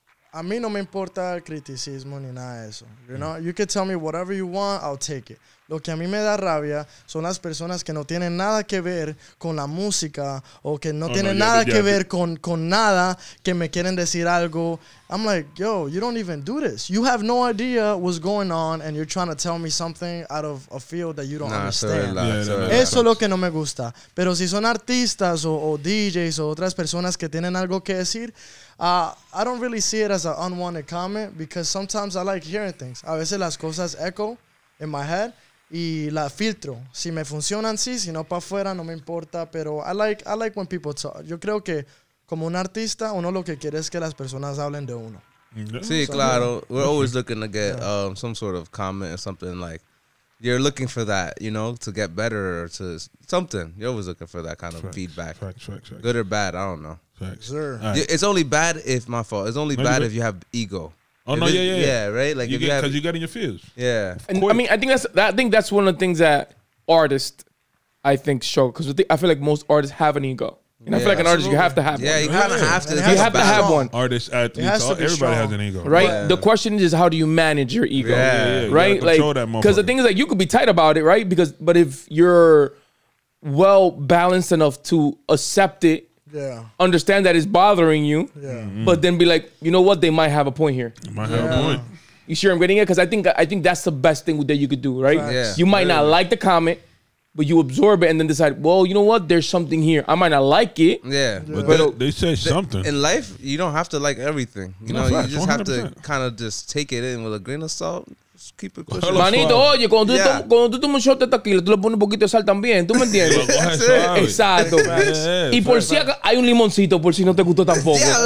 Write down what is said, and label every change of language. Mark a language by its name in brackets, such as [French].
[Spanish] A mí no me importa el criticismo ni nada de eso. [English] You know, you can tell me whatever you want, I'll take it. [Spanish] Lo que a mí me da rabia son las personas que no tienen nada que ver con la música o que no tienen nada que ver con nada que me quieren decir algo. [English] I'm like, yo, you don't even do this. You have no idea what's going on and you're trying to tell me something out of a field that you don't understand. Yeah, [Spanish] eso es lo que no me gusta. Pero si son artistas o DJs o otras personas que tienen algo que decir, [English] I don't really see it as an unwanted comment because sometimes I like hearing things. [Spanish] A veces las cosas [English] echo in my head. [Spanish] Y la filtro. Si me funcionan, sí. Si no, para afuera, no me importa. [English] Pero I like when people talk. [Spanish] Yo creo que como un artista, uno lo que quiere es que las personas hablen de uno. [English] Sí, so, claro. Yeah. We're always looking to get some sort of comment or something. Like, you're looking for that, you know, to get better or to something. You're always looking for that kind of feedback. Facts. Good or bad, I don't know. Facts. Sure. Right. It's only bad if, my fault, it's only bad if you have ego. Oh, if no, yeah. Yeah, right? Like, because you get in your feels. Yeah. And I mean, I think that's one of the things that artists, I think, show. Because I feel like most artists have an ego. And yeah, I feel like an artist, you have to have one. Yeah, you kind of have to. You have to have one. Artist, athletes, everybody has an ego. Right? Yeah. The question is, how do you manage your ego? Yeah, yeah, yeah. Right? Like, control that motherfucker. Because the thing is, like, you could be tight about it, right? Because, but if you're well balanced enough to accept it, yeah, understand that it's bothering you, yeah, mm-hmm, but then be like, you know what? They might have a point here. They might have a point. You sure I'm getting it? Because I think that's the best thing that you could do, right? Yeah. You might not like the comment, but you absorb it and then decide, well, you know what? There's something here. I might not like it. Yeah. But they say something. In life, you don't have to like everything. You know, you just 100%. Have to kind of just take it in with a grain of salt. Just keep it pushing. [Spanish] Manito, oye, cuando tú tomas un shot de tequila, tú le pones un poquito de sal también. ¿Tú me entiendes? Exacto. Y por si hay un limoncito, por si no te gustó tampoco.